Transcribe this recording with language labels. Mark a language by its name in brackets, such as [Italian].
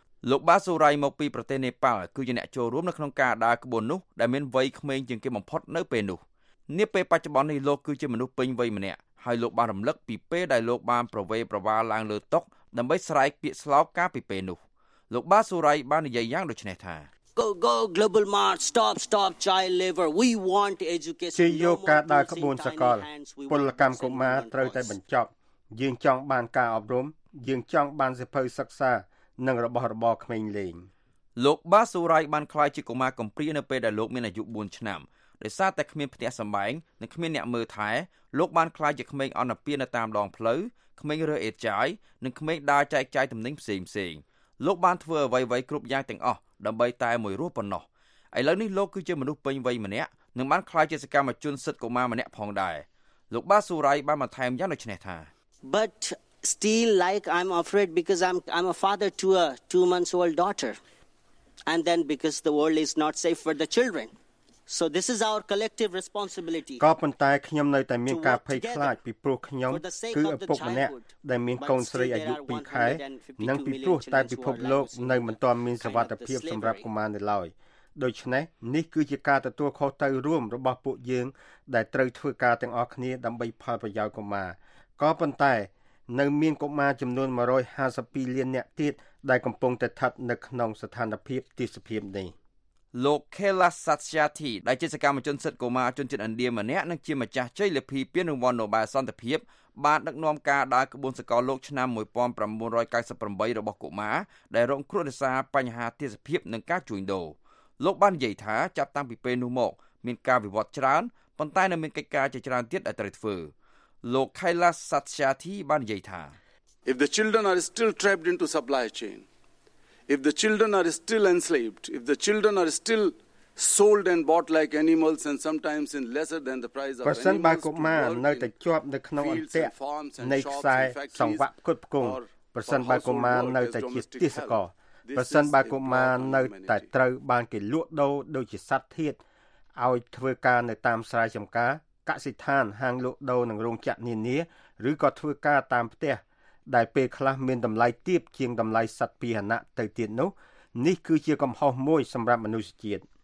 [Khmer] លោកបាសូរ៉ៃមកពីប្រទេសនេប៉ាល់គឺជាអ្នកចូលរួមនៅក្នុងការដើរក្បួននោះដែលមានវ័យក្មេងជាងគេបំផុតនៅពេលនោះនាពេលបច្ចុប្បន្ននេះលោកគឺជាមនុស្សពេញវ័យម្នាក់ហើយលោកបានរំលឹកពីពេលដែលលោកបានប្រវេប្រវាឡើងលើតុកដើម្បីស្រែកពាក្យស្លោកកាលពីពេលនោះលោកបាសូរ៉ៃបាននិយាយយ៉ាងដូចនេះថា [English] Go go global mart stop stop child labor we want to educate [Khmer] ជាយកការដើរក្បួនសកលពលកម្មកុមារត្រូវតែបញ្ចប់យើងចង់បានការអប់រំយើងចង់បានសិភ័យសិក្សានិងរបស់របរក្មេងលេង លោកបាសូរ៉ៃបានខ្លាចជាកុមារកំព្រានៅពេលដែលលោកមានអាយុ4ឆ្នាំដោយសារតែគ្មានផ្ទះសម្បែងនិងគ្មានអ្នកមើលថែលោកបានក្លាយជាក្មេងអនពៀនៅតាមដងផ្លូវក្មេងរើអេតចាយនិងក្មេងដើរចែកចាយទំនិញផ្សេងៗលោកបានធ្វើអ្វីៗគ្រប់យ៉ាងទាំងអស់ដើម្បីតែមួយរស់ប៉ុណ្ណោះឥឡូវនេះលោកគឺជាមនុស្សពេញវ័យម្នាក់និងបានក្លាយជាសកម្មជនសិទ្ធិកុមារម្នាក់ផងដែរលោកបាសូរ៉ៃបានបន្ថែមយ៉ាងដូចនេះថា [English] But still like I'm afraid because I'm a father to a 2 months old daughter and then because the world is not safe for the children. So this is our collective responsibility. [Khmer] ក៏ប៉ុន្តែខ្ញុំនៅតែមានការភ័យខ្លាចពីព្រោះខ្ញុំគឺឪពុកម្នាក់ដែលមានកូនស្រីអាយុ2ខែនិងពីព្រោះតែពិភពលោកនៅមិនទាន់មានសវត្ថភាពសម្រាប់កុមារនៅឡើយដូច្នេះនេះគឺជាការទទួលខុសត្រូវរួមរបស់ពួកយើងដែលត្រូវធ្វើការទាំងអស់គ្នាដើម្បីផលប្រយោជន៍កុមារក៏ប៉ុន្តែនៅមានកុមារចំនួន152លានអ្នកទៀតដែលកំពុងតែស្ថិតនៅក្នុងស្ថានភាពទាសភាពនេះ លោក Kela Satyarthi ដែលជាសកម្មជនសិទ្ធិកុមារជនជាតិឥណ្ឌាម្នាក់និងជាម្ចាស់ជ័យលាភីពានរង្វាន់ Nobel សន្តិភាពបានដឹកនាំការដើរក្បួនសកលលោកឆ្នាំ1998របស់កុមារដែលរងគ្រោះដោយសារបញ្ហាទាសភាពនិងការជួញដូរលោកបាននិយាយថាចាប់តាំងពីពេលនោះមកមានការវិវត្តច្រើនប៉ុន្តែនៅមានកិច្ចការជាច្រើនទៀតដែលត្រូវធ្វើលោក Kela Satyarthi បាននិយាយថា [English] If the children are still trapped into supply chainIf the children are still enslaved, if the children are still sold and bought like animals and sometimes in lesser than the price of animals, [Khmer] ប្រសិនបើកុមារនៅតែជាប់នៅក្នុងអន្ទាក់នៃខ្សែសង្វាក់ផ្គត់ផ្គង់ប្រសិនបើកុមារនៅតែជាទាសករប្រសិនបើកុមារនៅតែត្រូវបានគេលក់ដូរដូចជាសត្វធាតឲ្យធ្វើការនៅតាមស្រែចម្ការកសិដ្ឋានហាងលក់ដូរនិងរោងចក្រនានាឬក៏ធ្វើការតាមផ្ទះដែលពេលខ្លះមានតម្លៃទាបជាងតម្លៃសត្វពាហនៈទៅទៀតនោះនេះគឺជាកំហុសមួយសម្រាប់មនុស្សជាតិ